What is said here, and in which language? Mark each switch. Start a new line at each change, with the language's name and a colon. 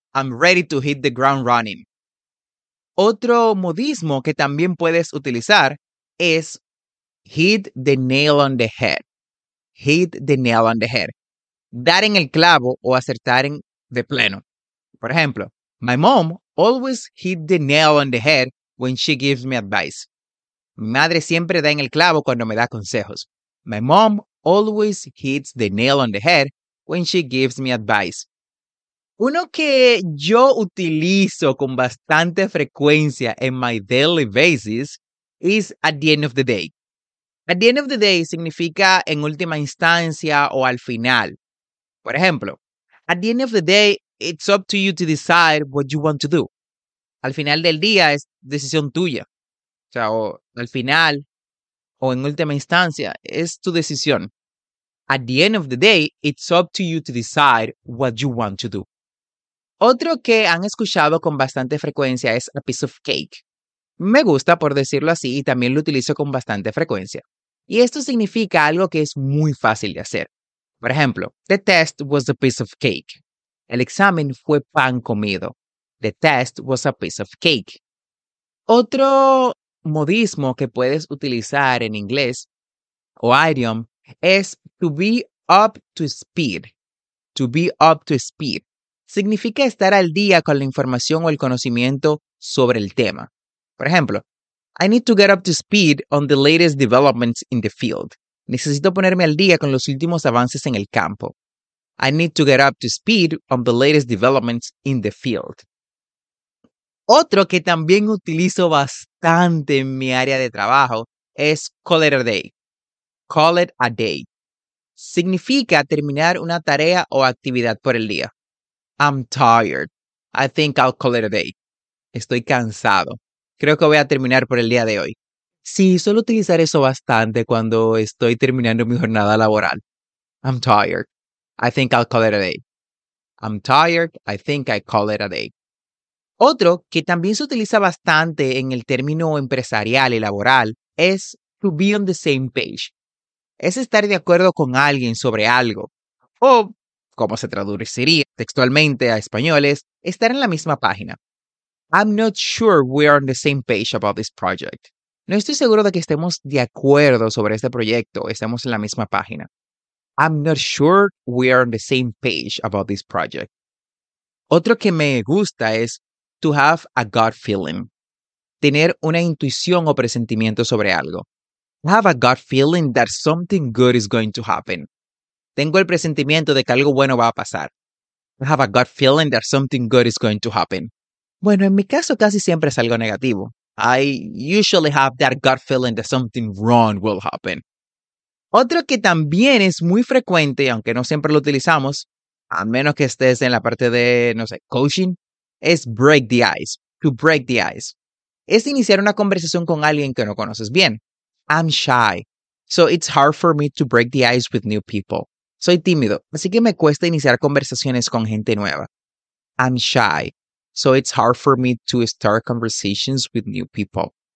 English: I'm ready to hit the ground running.
Spanish: Otro modismo que también puedes utilizar es
English: hit the nail on the head. Hit the nail on the head.
Spanish: Dar en el clavo o acertar en de pleno. Por ejemplo,
English: my mom always hit the nail on the head when she gives me advice.
Spanish: Mi madre siempre da en el clavo cuando me da consejos.
English: My mom always hits the nail on the head when she gives me advice.
Spanish: Uno que yo utilizo con bastante frecuencia en
English: my daily basis is at the end of the day. At the end of the day
Spanish: significa en última instancia o al final. Por ejemplo,
English: at the end of the day, it's up to you to decide what you want to do.
Spanish: Al final del día es decisión tuya. O sea, o al final o en última instancia es tu decisión.
English: At the end of the day, it's up to you to decide what you want to do.
Spanish: Otro que han escuchado con bastante frecuencia es
English: a piece of cake.
Spanish: Me gusta por decirlo así y también lo utilizo con bastante frecuencia. Y esto significa algo que es muy fácil de hacer. Por ejemplo,
English: the test was a piece of cake.
Spanish: El examen fue pan comido.
English: The test was a piece of cake.
Spanish: Otro modismo que puedes utilizar en inglés o idiom es
English: to be up to speed. To be up to speed.
Spanish: Significa estar al día con la información o el conocimiento sobre el tema. Por ejemplo,
English: I need to get up to speed on the latest developments in the field.
Spanish: Necesito ponerme al día con los últimos avances en el campo.
English: I need to get up to speed on the latest developments in the field.
Spanish: Otro que también utilizo bastante en mi área de trabajo es
English: call it a day.
Spanish: Call it a day. Significa terminar una tarea o actividad por el día.
English: I'm tired. I think I'll call it a day.
Spanish: Estoy cansado. Creo que voy a terminar por el día de hoy. Sí, suelo utilizar eso bastante cuando estoy terminando mi jornada laboral.
English: I'm tired. I think I'll call it a day. I'm tired. I think I call it a day.
Spanish: Otro que también se utiliza bastante en el término empresarial y laboral es
English: to be on the same page.
Spanish: Es estar de acuerdo con alguien sobre algo. O, como se traduciría textualmente a español, es estar en la misma página.
English: I'm not sure we are on the same page about this project.
Spanish: No estoy seguro de que estemos de acuerdo sobre este proyecto. Estamos en la misma página.
English: I'm not sure we are on the same page about this project.
Spanish: Otro que me gusta es
English: to have a gut feeling.
Spanish: Tener una intuición o presentimiento sobre algo.
English: Have a gut feeling that something good is going to happen.
Spanish: Tengo el presentimiento de que algo bueno va a pasar.
English: Have a gut feeling that something good is going to happen.
Spanish: Bueno, en mi caso casi siempre es algo negativo.
English: I usually have that gut feeling that something wrong will happen.
Spanish: Otro que también es muy frecuente, aunque no siempre lo utilizamos, a menos que estés en la parte de, no sé, coaching, es
English: break the ice, to break the ice.
Spanish: Es iniciar una conversación con alguien que no conoces bien.
English: I'm shy, so it's hard for me to break the ice with new people.
Spanish: Soy tímido, así que me cuesta iniciar conversaciones con gente nueva.
English: I'm shy, so it's hard for me to start conversations with new people.